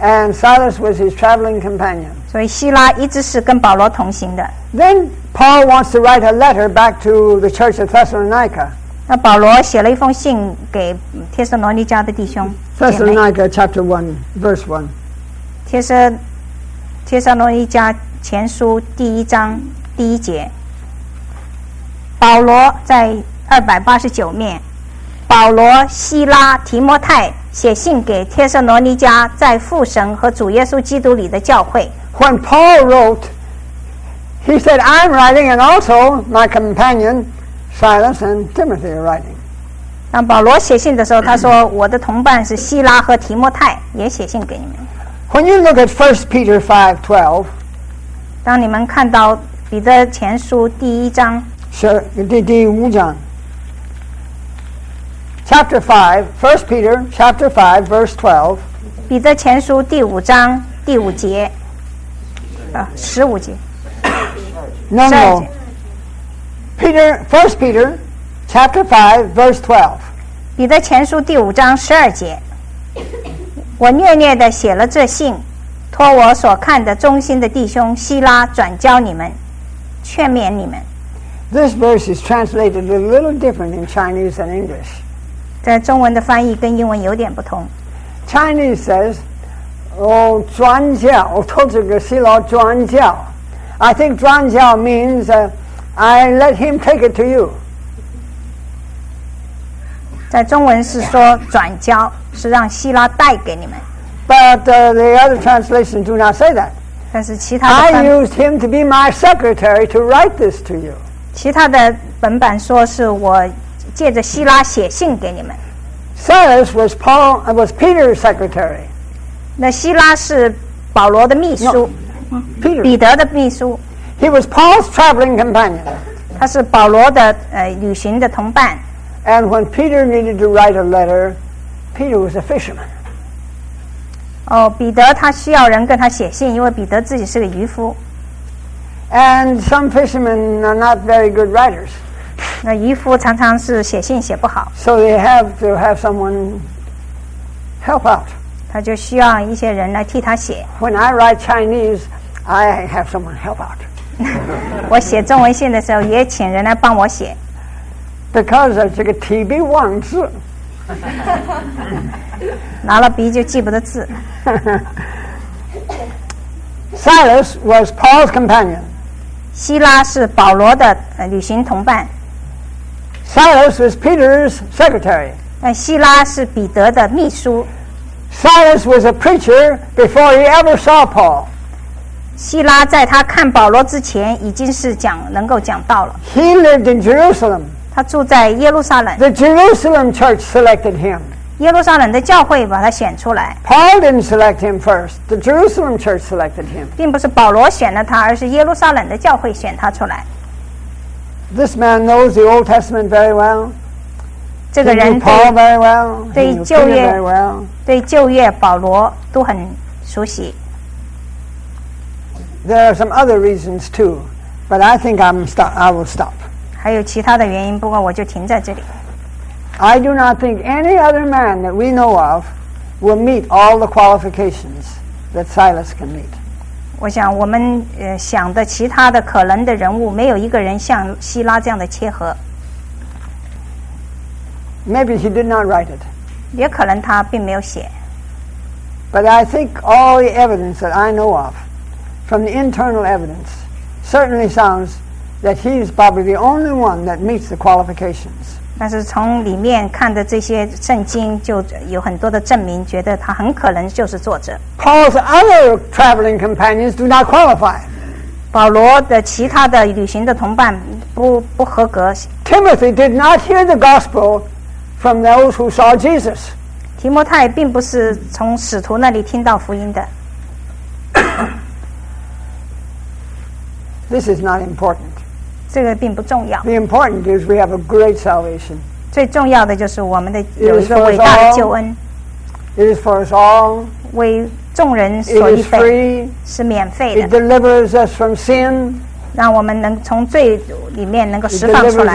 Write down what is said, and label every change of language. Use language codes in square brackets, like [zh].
[en] And Silas was his traveling companion. [zh] 所以希拉一直是跟保罗同行的。 [en] Then Paul wants to write a letter back to the church of Thessalonica. [zh] 那保罗写了一封信给帖撒罗尼迦的弟兄。 [en] Thessalonica chapter 1, verse 1. [zh] 帖撒罗尼迦前书第一章第一节。保罗在289面，保罗、希拉、提摩太写信给帖撒罗尼迦在父神和主耶稣基督里的教会。 [en] When Paul wrote, he said, "I'm writing, and also my companion Silas and Timothy are writing." [zh] 当保罗写信的时候，他说：“我的同伴是希拉和提摩太，也写信给你们。” [en] When you look at 1 Peter 5:12, [zh] 当你们看到彼得前书第一章。第五章 [en] chapter 5 1 Peter chapter 5 verse 12 [zh] 彼得前书第五章第五节十五节 [en] No. Peter, 1 Peter chapter 5 verse 12 [zh] 彼得前书第五章十二节我虐虐地写了这信托我所看的忠心的弟兄希拉转交你们劝勉你们 [en] This verse is translated a little different in Chinese than English. [zh] 在中文的翻译跟英文有点不同。 [en] Chinese says, [zh] 我转教，我托这个希拉转教。 [en] I think 转教 means, I let him take it to you. [zh] 在中文是说转教，是让希拉带给你们。 [en] But the other translations do not say that. [zh] 但是其他的翻译。 [en] I used him to be my secretary to write this to you. [zh] 其他的本版说是我借着希拉写信给你们。 [en] Silas was Paul, was Peter's secretary. [zh] 那希拉是保罗的秘书。 [en] Peter. [zh] 彼得的秘书。 [en] He was Paul's traveling companion. [zh] 他是保罗的旅行的同伴。 [en] And when Peter needed to write a letter, Peter was a fisherman. [zh] 哦，彼得他需要人跟他写信，因为彼得自己是个渔夫。 [en] And some fishermen are not very good writers. [zh] 那渔夫常常是写信写不好。 [en] So they have to have someone help out. [zh] 他就需要一些人来替他写。 [en] When I write Chinese, I have someone help out. [zh] 我写中文信的时候也请人来帮我写。 [en] Because of [zh] 这个提笔忘字。拿了笔就记不得字。 [en] Silas was Paul's companion. [zh] 希拉是保罗的旅行同伴。 [en] Silas was Peter's secretary. [zh] 那希拉是彼得的秘书。 [en] Silas was a preacher before he ever saw Paul. [zh] 希拉在他看保罗之前已经是讲能够讲道了。 [en] He lived in Jerusalem. [zh] 他住在耶路撒冷。 [en] The Jerusalem church selected him. [zh] 耶路撒冷的教会把他选出来。 [en] Paul didn't select him first. The Jerusalem church selected him. [zh] 并不是保罗选了他，而是耶路撒冷的教会选他出来。 [en] This man knows the Old Testament very well. [zh] 这个人 [en] knew Paul very well. [zh] 对旧约 [en] very well. [zh] 对旧约保罗都很熟悉。 [en] There are some other reasons too, but I think I will stop. [zh] 还有其他的原因，不过我就停在这里。 [en] I do not think any other man that we know of will meet all the qualifications that Silas can meet. [zh] 我想我们想的其他的可能的人物没有一个人像希拉这样的切合。 [en] Maybe he did not write it. [zh] 也可能他并没有写。 [en] But I think all the evidence that I know of from the internal evidence certainly sounds that he is probably the only one that meets the qualifications. [zh] 但是从里面看的这些圣经就有很多的证明觉得他很可能就是作者 [en] Paul's other traveling companions do not qualify [zh] 保罗的其他的旅行的同伴 不合格 [en] Timothy did not hear the gospel from those who saw Jesus [zh] 提提摩太并不是从使徒那里听到福音的。 [en] This is not important. [zh] 这个并不重要。 [en] The important is we have a great salvation. [zh] 最重要的就是我们的有一个伟大的救恩。 [en] It is for us all. [zh] 为众人所预备。 [en] It is free. [zh] 是免费的。 [en] It delivers us from sin. [zh] 让我们能从罪里面能够释放出来。